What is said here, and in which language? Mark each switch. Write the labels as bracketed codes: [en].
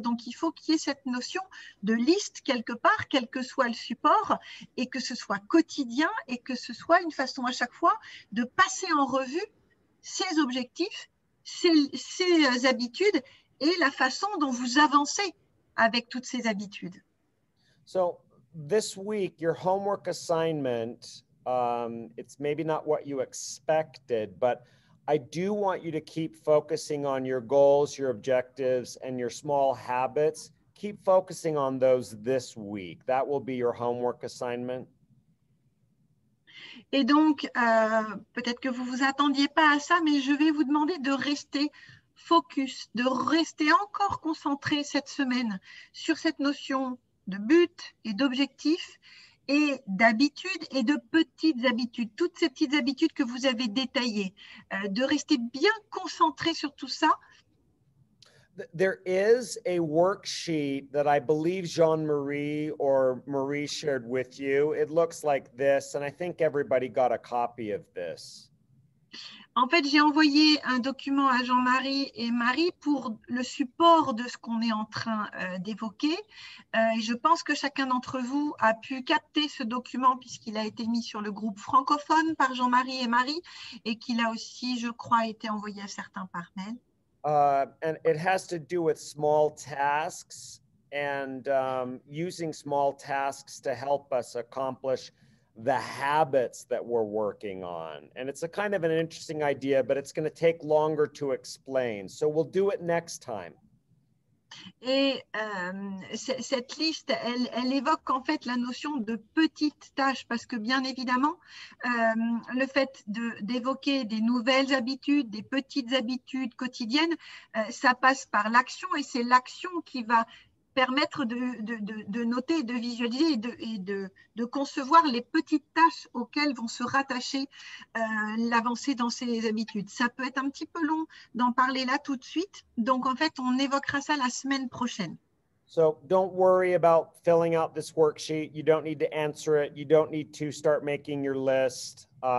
[fr] Donc, il faut qu'il y ait cette notion de liste quelque part, quel que soit le support, et que ce soit quotidien et que ce soit une façon à chaque fois de passer en revue ses objectifs ces habitudes et la façon dont vous avancez avec toutes ces habitudes. [en] So, this week, your homework assignment, it's maybe not what you expected, but I do want you to keep focusing on your goals, your objectives, and your small habits. Keep focusing on those this week. That will be your homework assignment. [fr] Et donc, peut-être que vous ne vous attendiez pas à ça, mais je vais vous demander de rester focus, de rester encore concentré cette semaine sur cette notion de but et d'objectif et d'habitudes et de petites habitudes, toutes ces petites habitudes que vous avez détaillées, de rester bien concentré sur tout ça. [en] There is a worksheet that I believe Jean-Marie or Marie shared with you. It looks like this, and I think everybody got a copy of this. [fr] En fait, j'ai envoyé un document à Jean-Marie et Marie pour le support de ce qu'on est en train d'évoquer. Je pense que chacun d'entre vous a pu capter ce document puisqu'il a été mis sur le groupe francophone par Jean-Marie et Marie et qu'il a aussi, je crois, été envoyé à certains par mail. [en] And it has to do with small tasks and using small tasks to help us accomplish the habits that we're working on. And it's a kind of an interesting idea, but it's going to take longer to explain. So we'll do it next time. [fr] Et cette liste, elle évoque en fait la notion de petites tâches parce que bien évidemment, le fait d'évoquer des nouvelles habitudes, des petites habitudes quotidiennes, ça passe par l'action et c'est l'action qui va permettre de noter, de visualiser et de concevoir les petites tâches auxquelles vont se rattacher l'avancée dans ces habitudes. Ça peut être un petit peu long d'en parler là tout de suite. Donc, en fait, on évoquera ça la semaine prochaine. [en] So, don't worry about filling out this worksheet. You don't need to answer it. You don't need to start making your list.